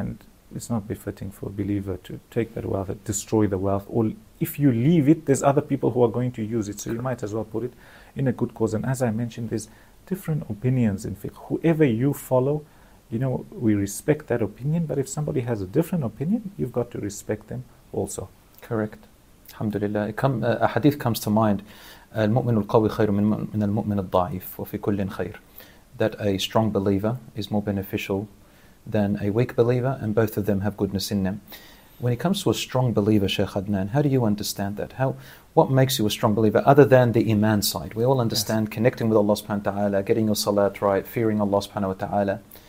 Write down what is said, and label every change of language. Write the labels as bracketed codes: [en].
[en] And it's not befitting for a believer to take that wealth, destroy the wealth, or if you leave it, there's other people who are going to use it, so you might as well put it in a good cause. And as I mentioned, there's different opinions in fiqh. Whoever you follow, you know, we respect that opinion, but if somebody has a different opinion, you've got to respect them also. Correct. Alhamdulillah. A hadith comes to mind. [ar] المؤمن القوي خير من المؤمن الضعيف وفي كل خير. [en] That a strong believer is more beneficial than a weak believer, and both of them have goodness in them. When it comes to a strong believer, Sheikh Adnan, how do you understand that? What makes you a strong believer other than the iman side? We all understand yes. connecting with Allah subhanahu wa ta'ala, getting your salat right, fearing Allah subhanahu wa ta'ala.